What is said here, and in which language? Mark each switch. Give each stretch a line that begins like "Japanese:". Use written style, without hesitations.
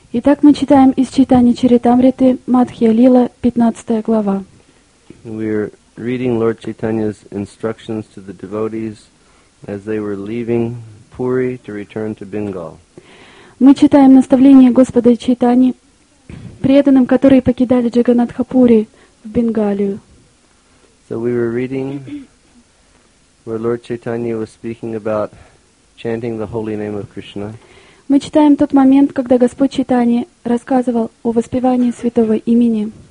Russian: Итак, мы читаем из Чайтаньи Чаритамриты Мадхья Лила, 15 глава.
English: We're reading Lord Chaitanya's instructions to the devotees as they were leaving Puri to return to Bengal.
Russian: Мы читаем наставления Господа Чайтани преданным, которые покидали Джаганатхапури в Бенгалию.
English: So we were reading where Lord Chaitanya was speaking about chanting the holy name of Krishna.
Russian: Мы читаем тот момент, когда Господь Чайтани рассказывал о воспевании святого имени.